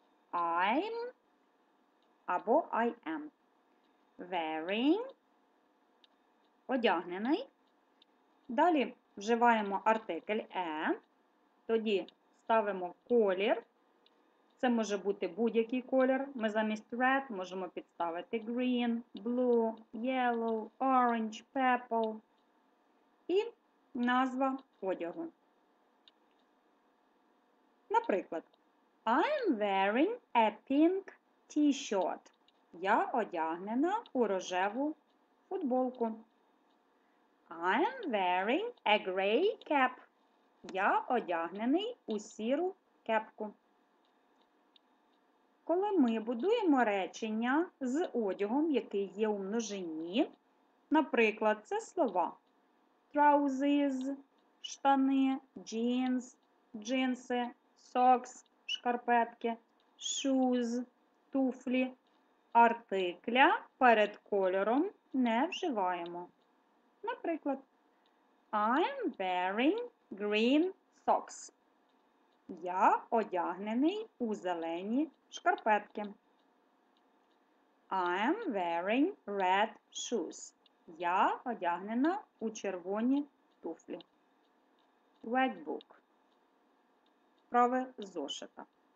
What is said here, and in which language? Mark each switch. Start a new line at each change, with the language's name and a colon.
English: I'm
Ukrainian: або
English: I am. Wearing.
Ukrainian: Одягнений. Далі вживаємо артикль a. Тоді ставимо колір. Це може бути будь-який колір. Ми замість red можемо підставити green, blue, yellow, orange, purple. І назва одягу.
English: Наприклад, I'm wearing a pink t-shirt.
Ukrainian: Я одягнена у рожеву футболку.
English: I'm wearing a gray cap.
Ukrainian: Я одягнений у сіру кепку. Коли ми будуємо речення з одягом, який є у множині, наприклад, це слова trousers, штани, jeans, джинси, socks, шкарпетки, shoes, туфлі. Артикля перед кольором не вживаємо.
English: Наприклад, I'm wearing green socks.
Ukrainian: Я одягнений у зелені шкарпетки.
English: I'm wearing red shoes.
Ukrainian: Я одягнена у червоні туфлі.
English: Red book.
Ukrainian: Справи зошита.